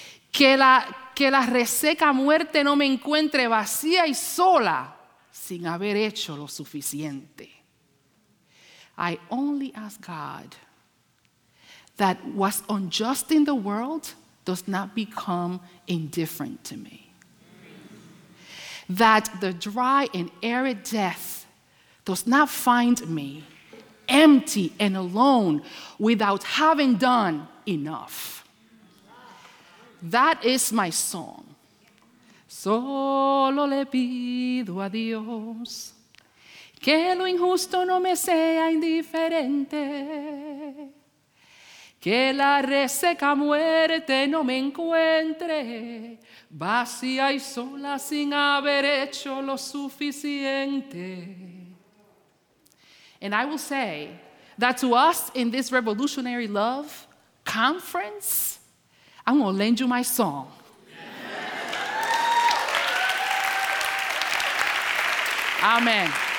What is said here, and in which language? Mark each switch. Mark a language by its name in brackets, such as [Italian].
[Spanish] Que la reseca muerte no me encuentre vacía y sola sin haber hecho lo suficiente. [English] I only ask God that what's unjust in the world does not become indifferent to me. That the dry and arid death does not find me empty and alone without having done enough. That is my song. [Spanish] Solo le pido a Dios que lo injusto no me sea indiferente. Que la reseca muerte no me encuentre vacía y sola sin haber hecho lo suficiente." [English] And I will say that to us in this Revolutionary Love Conference, I'm going to lend you my song. Amen.